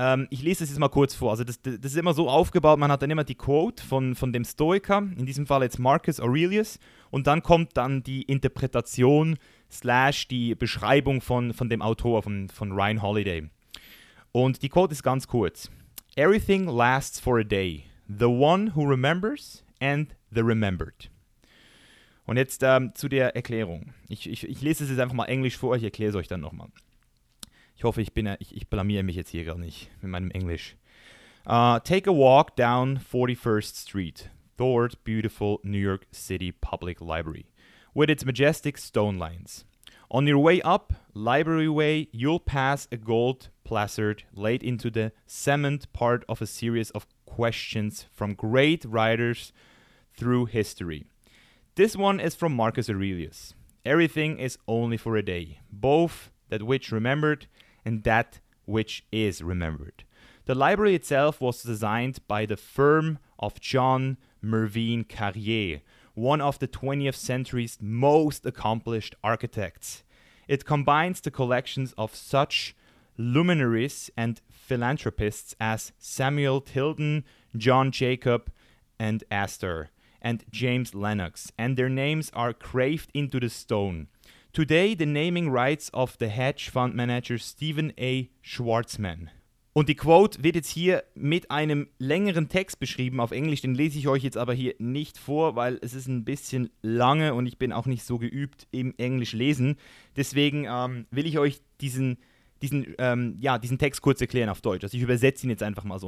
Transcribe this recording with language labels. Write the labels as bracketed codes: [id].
[de] Ich lese das jetzt mal kurz vor. Also das ist immer so aufgebaut, man hat dann immer die Quote von dem Stoiker, in diesem Fall jetzt Marcus Aurelius, und dann kommt dann die Interpretation / die Beschreibung von dem Autor, von Ryan Holiday. Und die Quote ist ganz kurz. [en] Everything lasts for a day. The one who remembers and the remembered. [de] Und jetzt zu der Erklärung. Ich lese es jetzt einfach mal englisch vor, ich erkläre es euch dann nochmal. Ich hoffe, ich blamiere mich jetzt hier gar nicht mit meinem Englisch. [en] Take a walk down 41st Street toward beautiful New York City Public Library with its majestic stone lions. On your way up Library Way, you'll pass a gold placard laid into the cement part of a series of questions from great writers through history. This one is from Marcus Aurelius. Everything is only for a day, both that which remembered and that which is remembered. The library itself was designed by the firm of John Mervyn Carrier, one of the 20th century's most accomplished architects. It combines the collections of such luminaries and philanthropists as Samuel Tilden, John Jacob and Astor, and James Lennox, and their names are carved into the stone. Today, the naming rights of the hedge fund manager Stephen A. Schwarzman. [de] Und die Quote wird jetzt hier mit einem längeren Text beschrieben auf Englisch, den lese ich euch jetzt aber hier nicht vor, weil es ist ein bisschen lange und ich bin auch nicht so geübt im Englisch lesen. Deswegen will ich euch diesen, diesen Text kurz erklären auf Deutsch. Also ich übersetze ihn jetzt einfach mal so.